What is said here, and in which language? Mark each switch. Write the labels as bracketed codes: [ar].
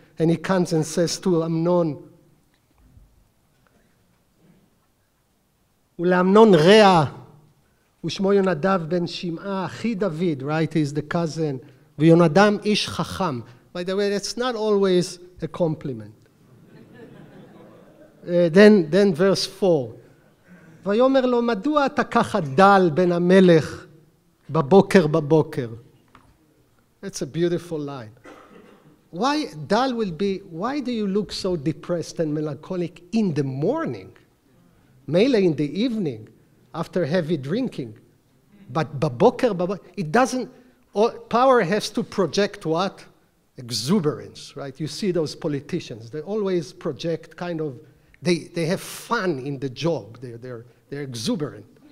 [en] And he comes and says to Amnon, ולאמנון רע, ושמו יונדב בן שמעה, אחי דוד, right, he's the cousin, ויונדם איש חכם. By the way, it's not always a compliment. then verse 4. [he] ויאמר לו, מדוע אתה ככה דל בן המלך בבוקר? It's a beautiful line. [en] why Dal will be, why do you look so depressed and melancholic in the morning? Mele in the evening, after heavy drinking. But baboker, it doesn't, power has to project what? Exuberance, right? You see those politicians, they always project kind of, they have fun in the job, they're exuberant.